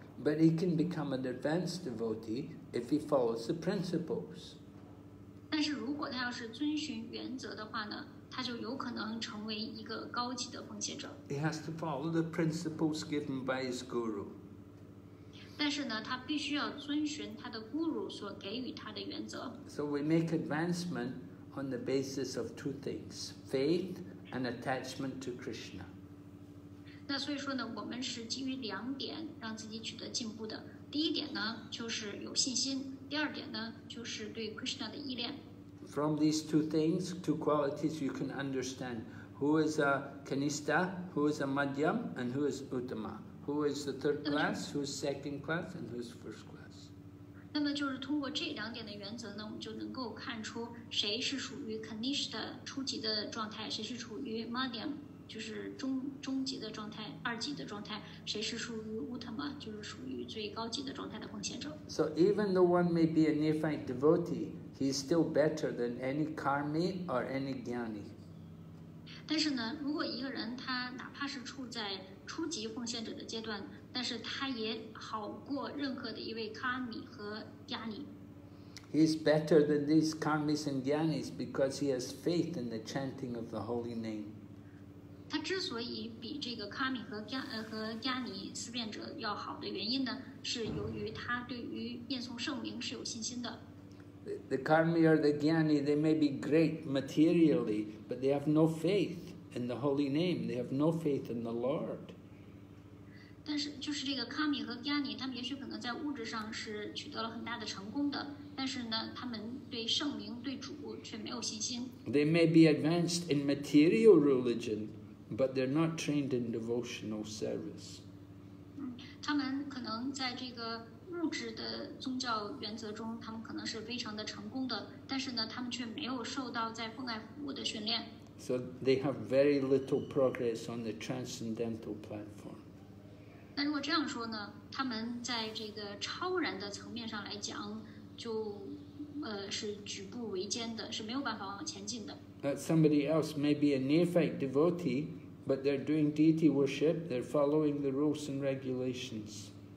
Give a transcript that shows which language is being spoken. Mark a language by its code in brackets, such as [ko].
[en] But he can become an advanced devotee if he follows the principles. [zh] 但是如果他要是遵循原则的话呢，他就有可能成为一个高级的奉献者。 [en] He has to follow the principles given by his guru. [zh] 但是呢，他必须要遵循他的 guru 所给予他的原则。 [en] So we make advancement. On the basis of two things, faith and attachment to Krishna. [zh] 那所以说呢，我们是基于两点让自己取得进步的。第一点呢，就是有信心；第二点呢，就是对 Krishna 的依恋。 [en] From these two things, two qualities, you can understand who is a kanista, who is a madhyam, and who is uttama. Who is the third class, who is second class, and who is first class. [zh] 那么就是通过这两点的原则呢，我们就能够看出谁是属于 Kanishtha 初级的状态，谁是属于 Madhyam 就是 中级的状态，二级的状态，谁是属于 Uttama 就是属于最高级的状态的奉献者。 [en] So even though one may be a neophyte devotee, he is still better than any Karmi or any Jnani. [zh] 但是呢，如果一个人他哪怕是处在初级奉献者的阶段，但是他也好过任何的一位卡米和加尼。 [en] He is better than these karmis and jnanis because he has faith in the chanting of the holy name. [zh] 他之所以比这个卡米和加尼思辨者要好的原因呢，是由于他对于念诵圣名是有信心的。 [en] The karmi or the jnani, they may be great materially, but they have no faith in the holy name. They have no faith in the Lord. [zh] 但是就是这个卡米和加尼，他们也许可能在物质上是取得了很大的成功的，但是呢，他们对圣名、对主却没有信心。 [en] They may be advanced in material religion, but they're not trained in devotional service. [zh] 他们可能在这个物质的宗教原则中，他们可能是非常的成功的，但是呢，他们却没有受到在奉爱服务的训练。 [en] So they have very little progress on the transcendental platform. [zh] 那如果这样说呢，他们在这个超然的层面上来讲，就是举步维艰的，是没有办法往前进的。 [en] That somebody else may be a neophyte devotee, but they're doing deity worship, they're following the rules and regulations.